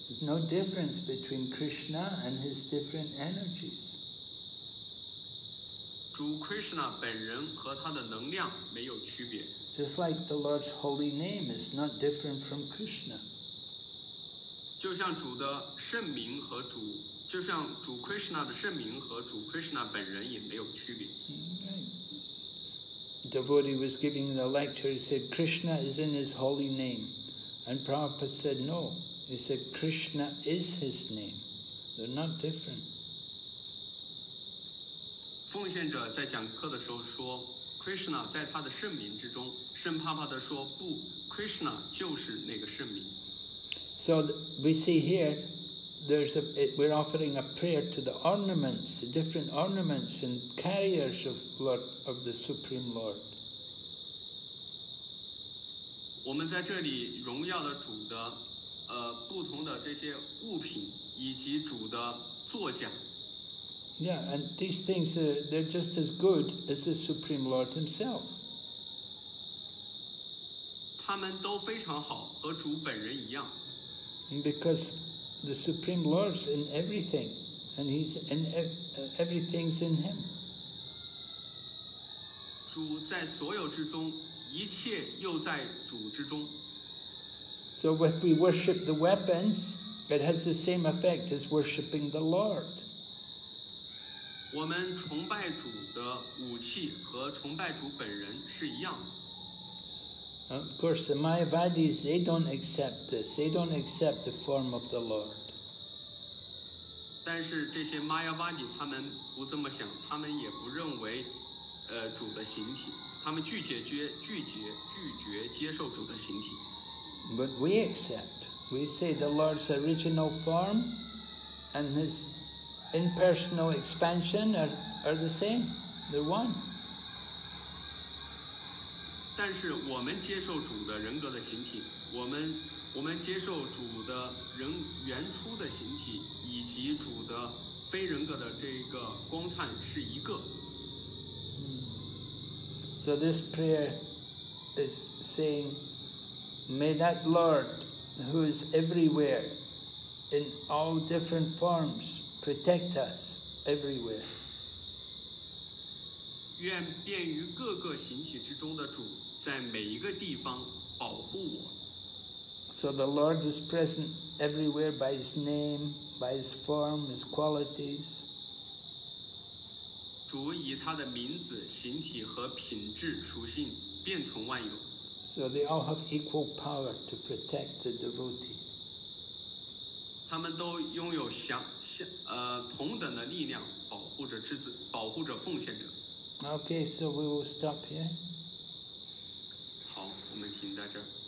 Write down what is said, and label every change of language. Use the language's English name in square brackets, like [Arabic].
[English] There's no difference between Krishna and his different energies. [Chinese] 主 Krishna 本人和他的能量没有区别。 [English] Just like the Lord's holy name is not different from Krishna. [Chinese] 就像主的圣名和主，就像主 Krishna 的圣名和主 Krishna 本人也没有区别。 [English] Devotee was giving the lecture. He said, "Krishna is in His holy name," and Prabhupada said, "No." He said, "Krishna is His name. They're not different." [Chinese] 奉献者在讲课的时候说 ，Krishna 在他的圣名之中。圣帕帕的说，不 ，Krishna 就是那个圣名。 [English] So we see here, we're offering a prayer to the ornaments, the different ornaments and carriers of the Supreme Lord. [Chinese] 我们在这里荣耀了主的，不同的这些物品以及主的座驾。 [English] Yeah, and these things they're just as good as the Supreme Lord Himself. [Chinese] 他们都非常好，和主本人一样。 [English] Because the Supreme Lord's in everything, and He's in everything's in Him. [Chinese] 主在所有之中，一切又在主之中。 [English] So if we worship the weapons, it has the same effect as worshiping the Lord. [Chinese] 我们崇拜主的武器和崇拜主本人是一样的。 [English] Of course, the Mayavadis, they don't accept this. They don't accept the form of the Lord. [Chinese] 但是这些 Mayavadi 他们不这么想，他们也不认为，主的形体。他们拒绝接受主的形体。 [English] But we accept. We say the Lord's original form and His impersonal expansion are the same. They're one. [Chinese] 但是我们接受主的人格的形体，我们接受主的人原初的形体，以及主的非人格的这个光灿是一个。 [English] So this prayer is saying, may that Lord who is everywhere in all different forms protect us everywhere. [Chinese] 愿便于各个形体之中的主在每一个地方保护我。 [English] So the Lord is present everywhere by His name, by His form, His qualities. [Chinese] 主以他的名字、形体和品质、属性遍存万有。 [English] So they all have equal power to protect the devotee. [Chinese] 他们都拥有同等的力量保护。护着至尊，保护着奉献者。 [English] Okay, so we will stop here. [Chinese] 好，我们停在这儿。